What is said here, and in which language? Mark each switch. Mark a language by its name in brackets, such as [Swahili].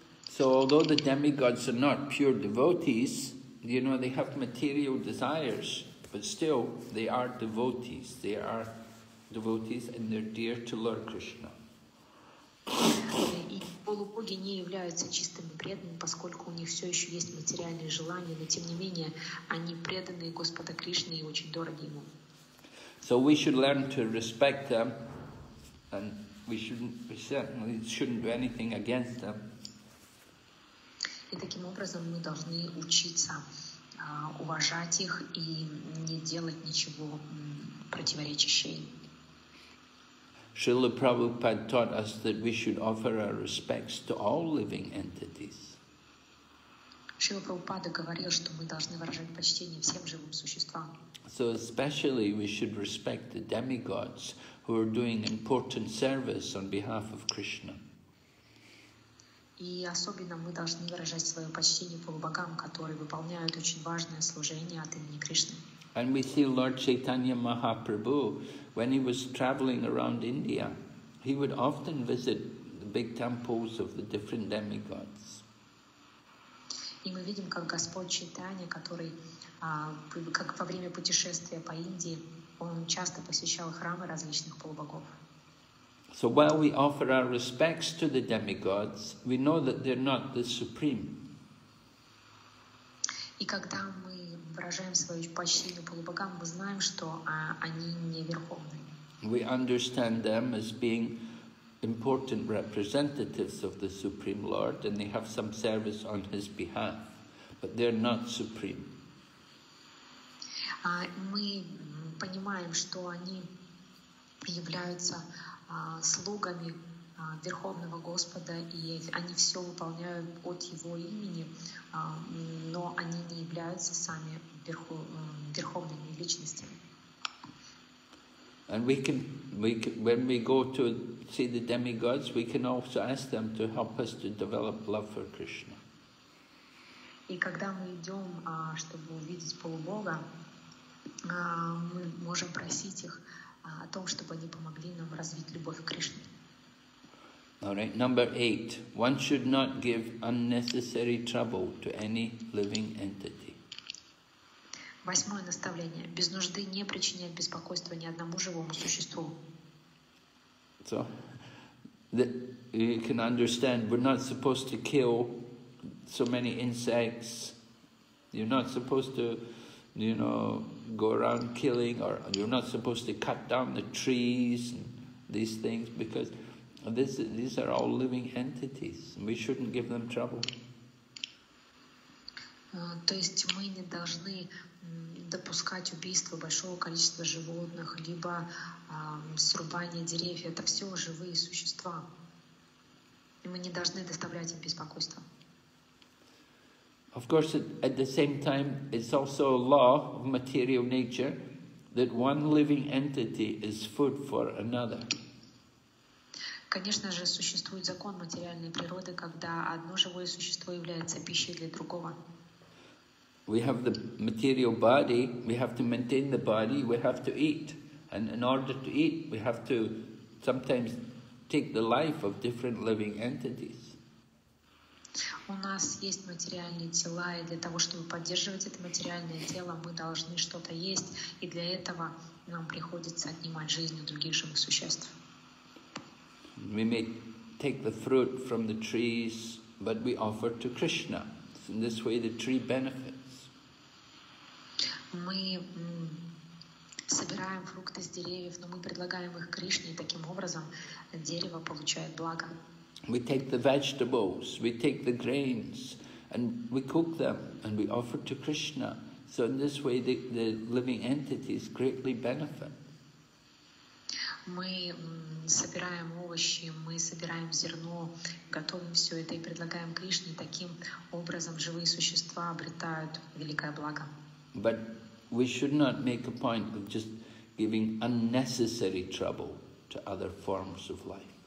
[English] So although the demigods are not pure devotees, you know, they have material desires, but still they are devotees. They are devotees and they're dear to Lord Krishna. [Russian] И полубоги не являются чистыми преданными, поскольку у них все еще есть материальные желания, но тем не менее они преданы Господу Кришне и очень дороги ему. [English] So we should learn to respect them, and we certainly shouldn't do anything against them. [Russian] И таким образом мы должны учиться уважать их и не делать ничего противоречащего им. [English] Шрила Прабхупада taught us that we should offer our respects to all living entities. [Russian] Шрила Прабхупада говорил, что мы должны выражать почтение всем живым существам. [English] So especially we should respect the demigods who are doing important service on behalf of Krishna. [Russian] И особенно мы должны выражать свое почтение полубогам, которые выполняют очень важное служение от имени Кришны. [English] And we see Lord Chaitanya Mahaprabhu, when he was traveling around India, he would often visit the big temples of the different demigods. [Russian] И мы видим, как Господь Чайтанья, который как во время путешествия по Индии, он часто посещал храмы различных полубогов. [English] So while we offer our respects to the demigods, we know that they're not the supreme. [Russian] И когда мы выражаем свое почтение полубогам, мы знаем, что они не верховные. [English] We understand them as being important representatives of the Supreme Lord, and they have some service on His behalf, but they're not supreme. [Russian] Мы понимаем, что они являются слугами Верховного Господа, и они все выполняют от Его имени, но они не являются сами верховными личностями. [English] And we can, when we go to see the demigods, we can also ask them to help us to develop love for Krishna. [Russian] И когда мы идем, чтобы увидеть полубога, мы можем просить их о том, чтобы они помогли нам развить любовь к Кришне. [English] All right, number 8. One should not give unnecessary trouble to any living entity. [Russian] Восьмое наставление. Без нужды не причинять беспокойство ни одному живому существу. [English] So, you can understand, we're not supposed to kill so many insects. You're not supposed to, you know, go around killing, or you're not supposed to cut down the trees and these things, because these are all living entities. We shouldn't give them trouble. [Russian] То есть мы не должны допускать убийство большого количества животных, либо срубание деревьев. Это все живые существа. И мы не должны доставлять им беспокойство. [English] Of course, at the same time, it's also a law of material nature that one living entity is food for another. [Russian] Конечно же, существует закон материальной природы, когда одно живое существо является пищей для другого. [English] We have the material body, we have to maintain the body, we have to eat. And in order to eat, we have to sometimes take the life of different living entities. [Russian] У нас есть материальные тела, и для того, чтобы поддерживать это материальное тело, мы должны что-то есть, и для этого нам приходится отнимать жизнь у других живых существ. [English] We may take the fruit from the trees, but we offer to Krishna. So in this way, the tree benefits. [Russian] Мы собираем фрукты с деревьев, но мы предлагаем их Кришне, и таким образом дерево получает благо. [English] We take the vegetables, we take the grains, and we cook them, and we offer to Krishna. So in this way, the living entities greatly benefit. [Russian] Мы собираем овощи, мы собираем зерно, готовим все это и предлагаем Кришне. Таким образом живые существа обретают великое благо. [English] But we should not make a point of just giving unnecessary trouble to other forms of life.